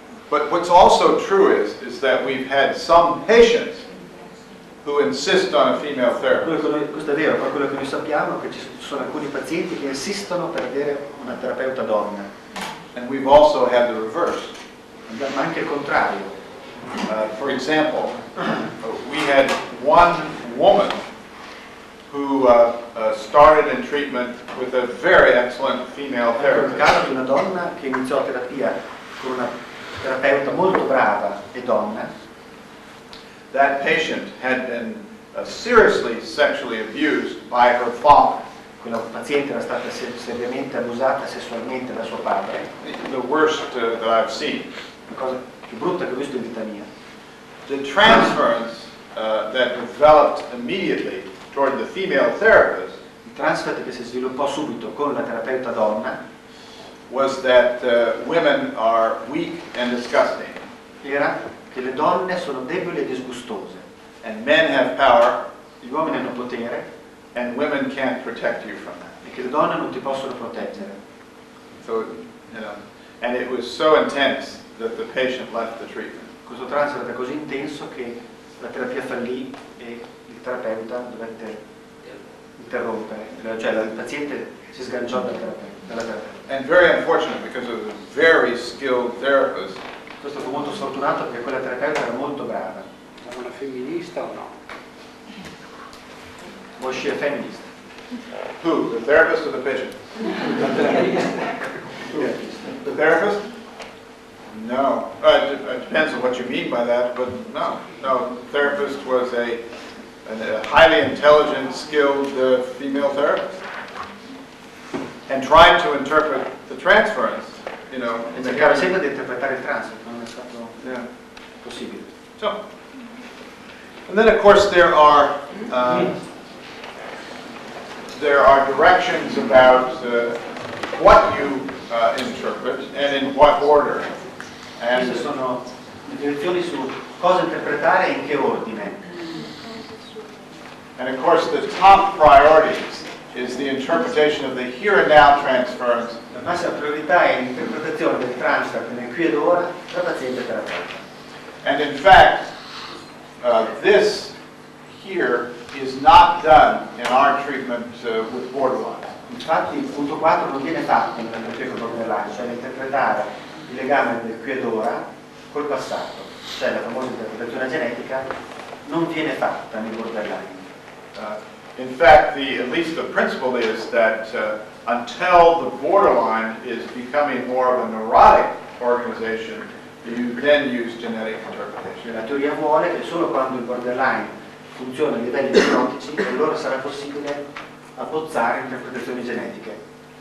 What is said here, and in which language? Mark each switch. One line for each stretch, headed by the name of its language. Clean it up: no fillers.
English: But what's also true is that we've had some patients who insist on a female therapist.
Italian: Questo è vero, ma quello che noi sappiamo è che ci sono alcuni pazienti che insistono per avere una terapeuta donna.
English: And we've also had the reverse.
Italian: Ma anche il contrario.
English: For example, we had one woman who started in treatment with a very excellent female therapist.
Italian: Un caso di una donna che iniziò terapia con una terapeuta molto brava e donna.
English: That patient had been seriously sexually abused by her father.
Italian: Quella paziente era stata seriamente abusata sessualmente da suo padre.
English: The worst that I've seen.
Italian: La cosa più brutta che ho visto in vita mia.
English: The transference that developed immediately toward the female therapist.
Italian: Il transfer che si sviluppò subito con la terapeuta donna.
English: Was that women are weak and disgusting.
Italian: Era che le donne sono deboli e disgustose.
English: And men have power.
Italian: Gli uomini hanno potere.
English: And women can't protect you from that.
Italian: E che le donne non ti possono proteggere.
English: So, you know, and it was so intense that the patient left the treatment.
Italian: Questo trance era così intenso che la terapia fallì e il terapeuta dovette interrompere. Cioè il paziente si sganciò dalla terapia.
English: And very unfortunate because of a very skilled therapist.
Italian: Questo fu molto sfortunato perché quella terapeuta era molto brava. Era una femminista o no?
English: Was she a feminist? Who? The therapist or the patient? The therapist? No. It depends on what you mean by that, but no. No, the therapist was a highly intelligent, skilled female therapist. And tried to interpret the transference, you know.
Italian: E cercava sempre di interpretare il transfer, non è stato possibile.
English: So, and then of course there are directions about what you interpret and in what order.
Italian: And queste sono direzioni su cosa interpretare e in che ordine.
English: And of course the top priorities. Is the interpretation of the here and now transference.
Italian: La massima priorità è l'interpretazione del transfer nel qui ed ora da paziente terapeuta.
English: And in fact, this here is not done in our treatment with borderline.
Italian: Infatti il punto 4 non viene fatto nella terapia con borderline, cioè interpretare il legame del qui ed ora col passato, cioè la famosa interpretazione genetica non viene fatta nel borderline.
English: In fact, at least the principle is that until the borderline is becoming more of a neurotic organization, you then use generic interpretation.
Italian: La teoria vuole che solo quando il borderline funziona a livelli nevrotici, allora sarà possibile abbozzare interpretazioni genetiche.